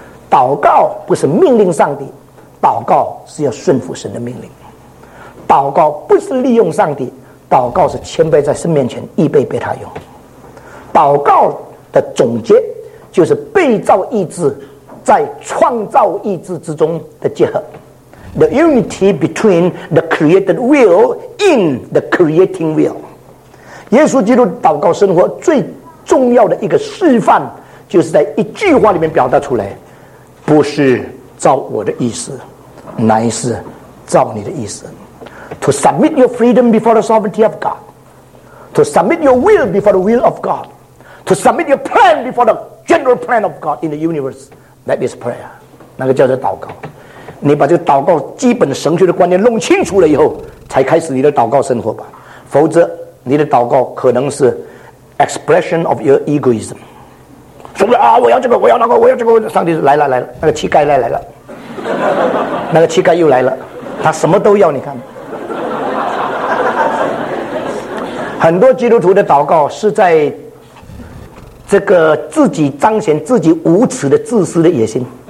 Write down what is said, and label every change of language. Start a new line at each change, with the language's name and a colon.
Chinese: 祷告不是命令上帝，祷告是要顺服神的命令。祷告不是利用上帝，祷告是谦卑在神面前，预备被他用。祷告的总结就是被造意志在创造意志之中的结合。
English: The unity between the created will in the creating will.
Chinese: 耶稣基督祷告生活最重要的一个示范，就是在一句话里面表达出来，不是照我的意思，乃是照你的意思。
English: To submit your freedom before the sovereignty of God. To submit your will before the will of God. To submit your plan before the general plan of God in the universe. That is prayer.
Chinese: 那个叫做祷告。你把这个祷告基本神学的观念弄清楚了以后，才开始你的祷告生活吧。否则你的祷告可能是
English: expression of your egoism.
Chinese: 说不定啊，我要这个，我要那个，我要这个。上帝来了来了，那个乞丐来了，那个乞丐又来了，他什么都要。你看很多基督徒的祷告是在这个自己彰显自己无耻的自私的野心。